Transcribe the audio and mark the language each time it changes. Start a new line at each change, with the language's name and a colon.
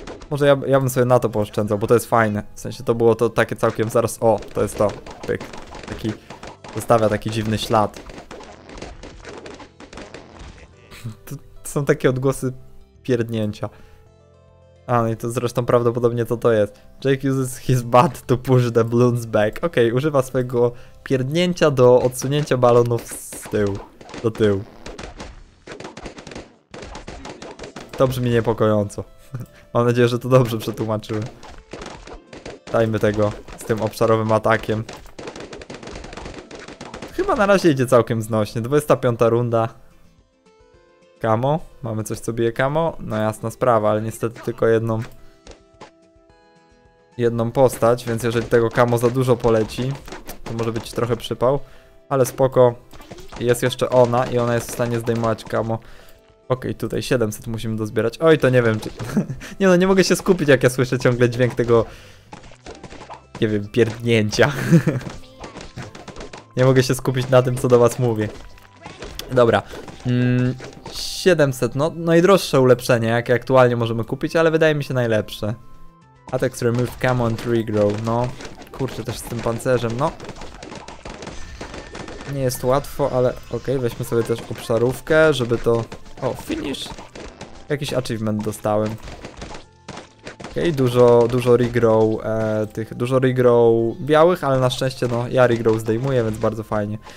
Polish: Może ja bym sobie na to pooszczędzał, bo to jest fajne. W sensie to było to takie całkiem zaraz. O, to jest to. Pyk. Taki. Zostawia taki dziwny ślad. To są takie odgłosy pierdnięcia. A, no i to zresztą prawdopodobnie to jest.
English: Jake uses his butt to push the balloons back.
Polish: Okej, używa swojego pierdnięcia do odsunięcia balonów z tyłu. Do tyłu. To brzmi niepokojąco. Mam nadzieję, że to dobrze przetłumaczyłem. Dajmy tego z tym obszarowym atakiem. Chyba na razie idzie całkiem znośnie. 25 runda. Kamo? Mamy coś, co bije kamo? No jasna sprawa, ale niestety tylko jedną postać, więc jeżeli tego kamo za dużo poleci, to może być trochę przypał. Ale spoko, jest jeszcze ona i ona jest w stanie zdejmować kamo. Okej, tutaj 700 musimy dozbierać. Oj, to nie wiem, czy... Nie no, nie mogę się skupić, jak ja słyszę ciągle dźwięk tego... Nie wiem, pierdnięcia. Nie mogę się skupić na tym, co do was mówię. Dobra. 700, no najdroższe ulepszenie, jakie aktualnie możemy kupić, ale wydaje mi się najlepsze.
English: Attacks remove camo and regrow, no.
Polish: Kurczę, też z tym pancerzem, no. Nie jest łatwo, ale okej, weźmy sobie też obszarówkę, żeby to... O, finish. Jakiś achievement dostałem. Okej, dużo regrow, dużo regrow białych, ale na szczęście, no, ja regrow zdejmuję, więc bardzo fajnie.